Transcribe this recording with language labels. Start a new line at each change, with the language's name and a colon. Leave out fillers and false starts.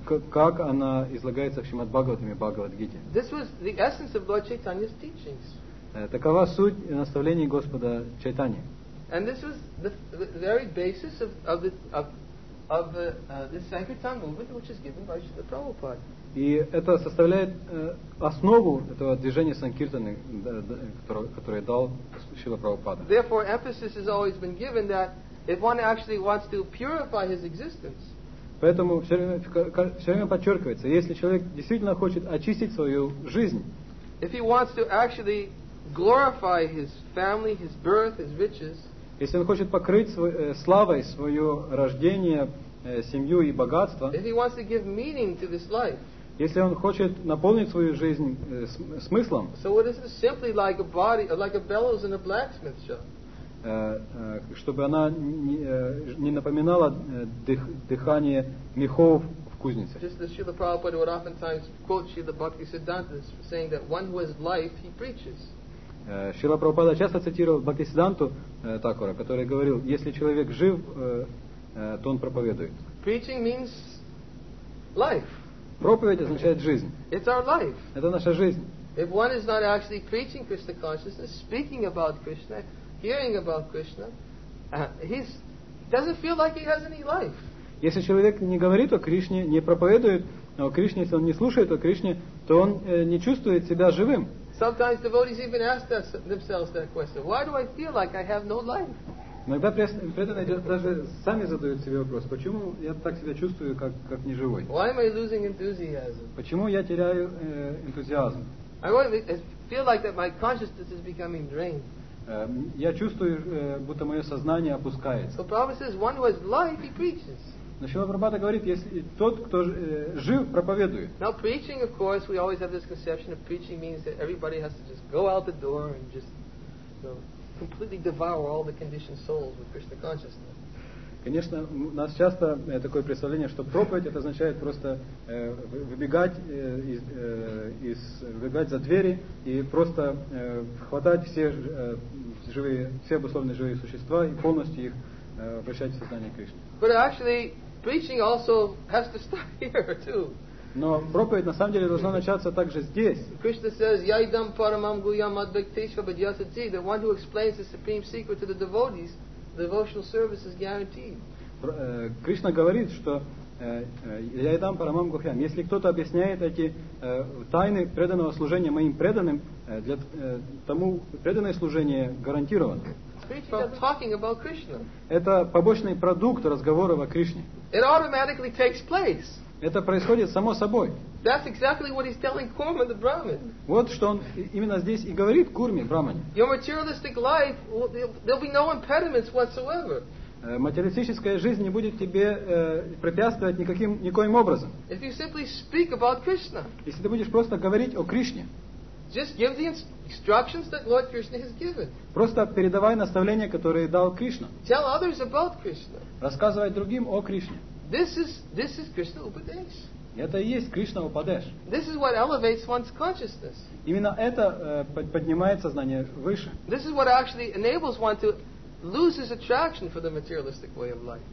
Russian: Как она излагается в Шримад Бхагаватам и Бхагавад-гите.
English: This was the essence of Lord Chaitanya's teachings.
Russian: Такова суть наставлений Господа Чайтаньи.
English: And this was the very basis of the of of this Sankirtan movement, which is given by Srila Prabhupada.
Russian: И это составляет основу этого движения санкиртаны, которое дал Шрила Прабхупада.
English: Therefore, emphasis has always been given that if one actually wants to purify his existence.
Russian: Поэтому все время подчеркивается, если человек действительно хочет очистить свою жизнь.
English: If he wants to actually glorify his family, his birth, his riches.
Russian: Если он хочет покрыть славой свое рождение, семью и богатство.
English: If he wants to give meaning to this life.
Russian: Если он хочет наполнить свою жизнь смыслом, чтобы она не напоминала дыхание мехов в кузнице.
English: Just as Srila Prabhupada would oftentimes quote Srila Bhaktisiddhanta, saying that one who has life, he preaches.
Russian: Srila Prabhupada часто цитировал Бхактисидданту Такура, который говорил, если человек жив, то он проповедует.
English: Preaching means life.
Russian: Проповедь означает жизнь.
English: It's our life.
Russian: Это наша жизнь.
English: If one is not actually preaching Krishna consciousness, speaking about Krishna, hearing about Krishna, he doesn't feel like he has any life.
Russian: Если человек не говорит о Кришне, не проповедует о Кришне, если он не слушает о Кришне, то он не чувствует себя живым.
English: Sometimes devotees even ask themselves that question: Why do I feel like I have no life?
Russian: Иногда преданные даже сами задают себе вопрос, почему я так себя чувствую, как неживой?
English: Why am I losing enthusiasm?
Russian: Почему я теряю энтузиазм?
English: I feel like that my consciousness is becoming drained.
Russian: Я чувствую, будто мое сознание опускается.
English: So Prabhupada says, one who has life, he preaches.
Russian: Но Шрила Прабхупада говорит, если тот, кто жив, проповедует.
English: Now preaching, of course, we always have this conception of preaching means that everybody has to just go out the door and just completely devour all the conditioned souls with Krishna consciousness.
Russian: Конечно, у нас часто такое представление, что проповедь это означает просто выбегать за двери и просто хватать все обусловленные живые существа и полностью их обращать в сознание Кришны.
English: But actually, preaching also has to start here too.
Russian: Но проповедь на самом деле должна начаться также здесь.
English: Krishna says,
Sanskrit: "Yaidam paramam guyam advaktesha vidyasati."
English: The one who explains the supreme secret to the devotees, devotional service is guaranteed.
Russian: Кришна говорит, что
Sanskrit: "Yaidam paramam guyam."
Russian: Если кто-то объясняет эти тайны преданного служения моим преданным, для тому преданное служение гарантировано.
English: Talking about Krishna.
Russian: Это побочный продукт разговора о Кришне.
English: It automatically takes place.
Russian: Это происходит само собой.
English: That's exactly what he's telling Kurma the Brahmin.
Russian: Вот что он именно здесь и говорит Курме, Брахмане.
English: Your materialistic life, there'll be no impediments whatsoever.
Russian: Материалистическая жизнь не будет тебе препятствовать никоим образом.
English: If you simply speak about Krishna.
Russian: Если ты будешь просто говорить о Кришне.
English: Just give the instructions that Lord Krishna has given.
Russian: Просто передавай наставления, которые дал Кришна.
English: Tell others about Krishna.
Russian: Рассказывай другим о Кришне.
English: This is Krishna Upadesh.
Russian: Это и есть Кришна Упадеш.
English: This is what elevates one's consciousness.
Russian: Именно это поднимает сознание выше.
English: This is what actually enables one to lose his attraction for the materialistic way of life.